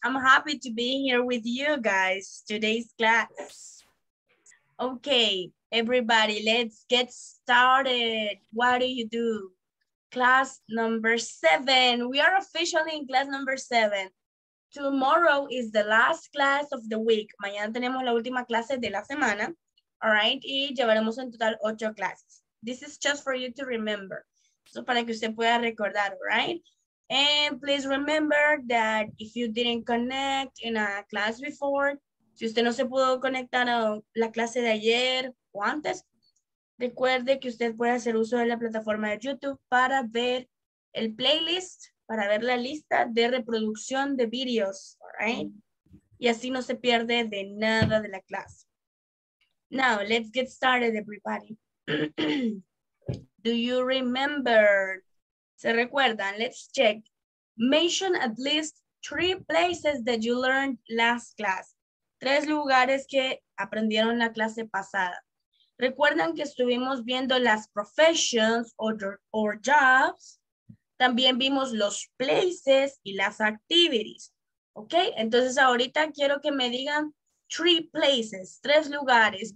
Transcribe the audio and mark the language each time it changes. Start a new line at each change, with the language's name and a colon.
English: I'm happy to be here with you guys today's class. Okay, everybody, let's get started. What do you do? Class number 7. We are officially in class number 7. Tomorrow is the last class of the week.
Spanish: Mañana tenemos la última clase de la semana.
English: All right,
Spanish: y llevaremos en total 8 clases.
English: This is just for you to remember. So
Spanish: para que usted pueda recordar,
English: all right? And please remember that if you didn't connect in a class before,
Spanish: si usted no se pudo conectar a la clase de ayer o antes, recuerde que usted puede hacer uso de la plataforma de YouTube para ver el playlist, para ver la lista de reproducción de videos,
English: right?
Spanish: Y así no se pierde de nada de la clase.
English: Now, let's get started, everybody. Do you remember?
Spanish: ¿Se recuerdan?
English: Let's check. Mention at least 3 places that you learned last class.
Spanish: 3 lugares que aprendieron la clase pasada. ¿Recuerdan que estuvimos viendo las professions or jobs? También vimos los places y las activities. ¿Ok? Entonces ahorita quiero que me digan 3 places, 3 lugares.